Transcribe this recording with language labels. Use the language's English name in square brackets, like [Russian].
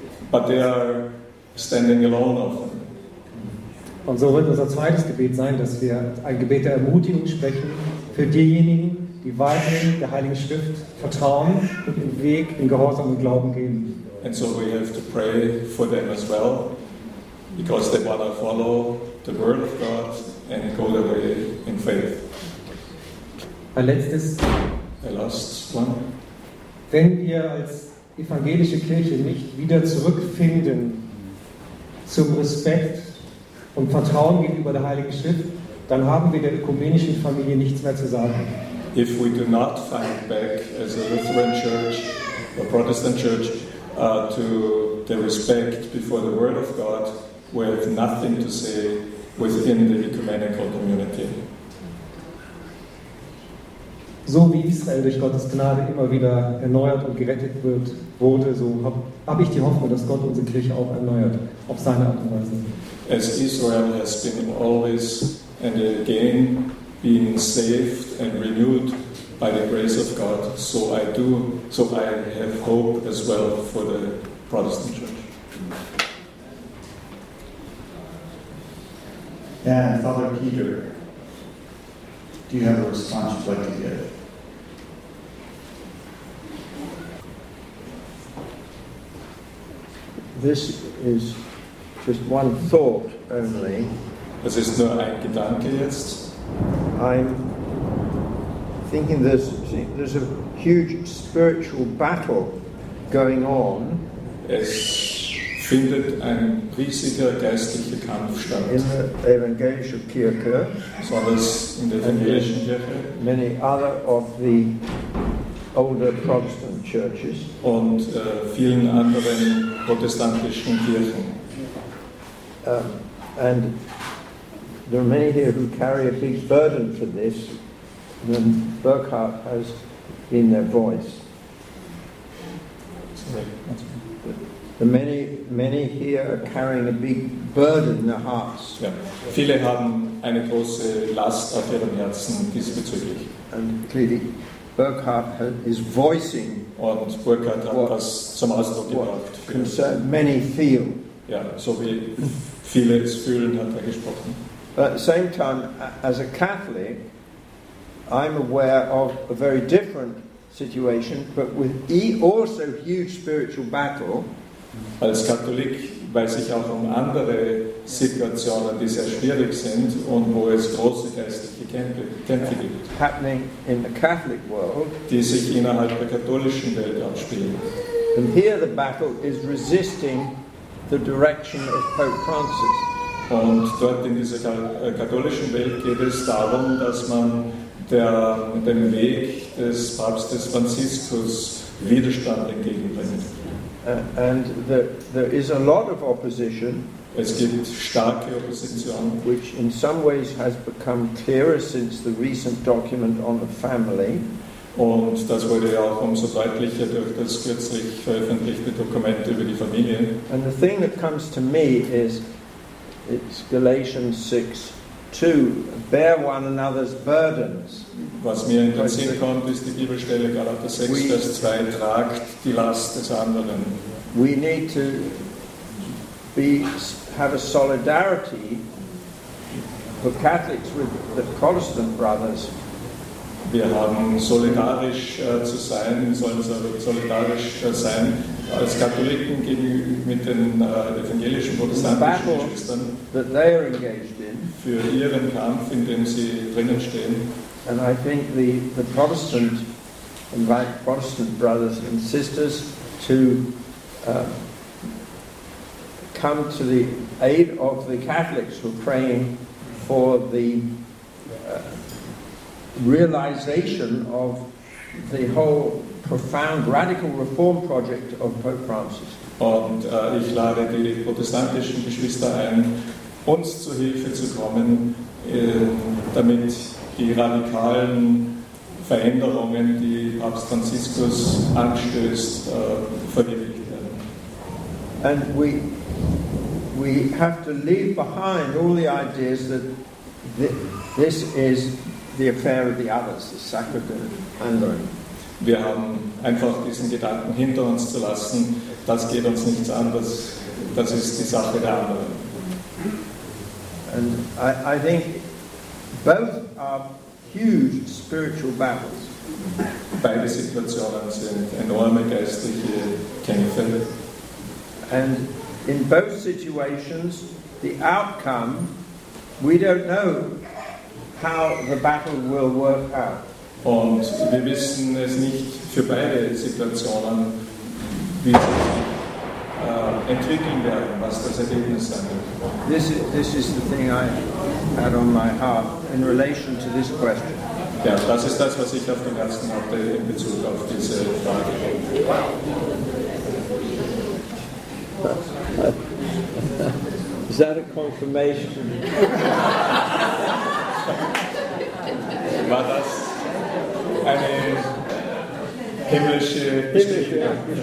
[English] But they are standing alone often. [German] Und so wird unser zweites Gebet sein, dass wir ein Gebet der Ermutigung sprechen für diejenigen, die weiterhin der Heiligen Schrift vertrauen und den Weg in Gehorsam und Glauben gehen. [English] And so we have to pray for them as well, because they want to follow the word of God and go their way in faith. [German] Ein letztes. [English] A last one. [German] Wenn wir als evangelische Kirche nicht wieder zurückfinden zum Respekt und Vertrauen gegenüber der Heiligen Schrift, dann haben wir der ökumenischen Familie nichts mehr zu sagen. [English] If we do not find back as a Lutheran church, a Protestant church, to the respect before the Word of God, we have nothing to say within the ecumenical community. [German] So wie Israel durch Gottes Gnade immer wieder erneuert und gerettet wird, wurde, so habe ich die Hoffnung, dass Gott unsere Kirche auch erneuert, auf seine Art und Weise. [English] As Israel has been always and again being saved and renewed by the grace of God, so I have hope as well for the Protestant Church. And Father Peter, do you have a response you'd like to give? This is just one thought only. [German] Es ist nur ein Gedanke jetzt. [English] I'm thinking there's a huge spiritual battle going on. [German] Es findet ein riesiger geistlicher Kampf statt. [English] In the evangelische Kirche, [German] so das in der evangelischen Kirche, [English] many other of the older Protestant churches [German] und vielen anderen protestantischen Kirchen. [English] And there are many here who carry a big burden for this, and Burkhardt has been their voice. There are many here are carrying a big burden in their hearts. Yeah. [German] Viele haben eine große Last auf ihrem Herzen diesbezüglich. [English] And clearly, Burkhardt is voicing [German] und Burkhardt hat das zum Ausdruck gebracht. [English] Many feel. [German] Yeah, so wie viele es fühlen, hat er gesprochen. [English] But at the same time, as a Catholic, I'm aware of a very different situation, but with also huge spiritual battle. [German] Als Katholik weiß ich auch um andere Situationen, die sehr schwierig sind und wo es große geistliche Kämpfe gibt. [English] Happening in the Catholic world, [German] die sich innerhalb der katholischen Welt abspielen. [English] And here the battle is resisting the direction of Pope Francis. [German] Und dort in dieser katholischen Welt geht es darum, dass man dem Weg des Papstes Franziskus Widerstand entgegenbringt. [English] And there is a lot of opposition. [German] Es gibt starke Opposition, [English] which in some ways has become clearer since the recent document on the family. [German] Und das wurde ja auch umso deutlicher durch das kürzlich veröffentlichte Dokument über die Familie. [English] And the thing that comes to me is, it's Galatians 6:2, bear one another's burdens. [German] Was mir in den Sinn kommt, ist die Bibelstelle Galater 6, Vers 2, tragt die Last des anderen. [English] We need to have a solidarity for Catholics with the Protestant brothers. [German] Wir haben solidarisch zu sein, sein als Katholiken mit den evangelischen protestantischen Geschwistern, [English] that they are engaged in, [German] für ihren Kampf, in dem sie drinnen stehen. [English] And I think the Protestant invite Protestant brothers and sisters to come to the aid of the Catholics who are praying for the realization of the whole profound radical reform project of Pope Francis. [German] Und ich lade die protestantischen Geschwister ein, uns zu Hilfe zu kommen, damit die radikalen Veränderungen, die Papst Franziskus anstößt, verwirklicht werden. [English] And we have to leave behind all the ideas that this is the affair of the others, the sacrament and the. [German] Wir haben einfach diesen Gedanken hinter uns zu lassen. Das geht uns nichts an. Das ist die Sache der anderen. [English] And I think both are huge spiritual battles. [German] Beide Situationen sind enorme geistliche Kämpfe. [English] And in both situations, the outcome, we don't know how the battle will work out. [German] Und wir wissen es nicht für beide Situationen, wie sie entwickeln werden, was das Ergebnis sein wird. [English] This is the thing I had on my heart in relation to this question. [German] Ja, das ist das, was ich auf dem Herzen hatte in Bezug auf diese Frage. [English] Is that a confirmation? [German] War das eine himmlische Bestätigung?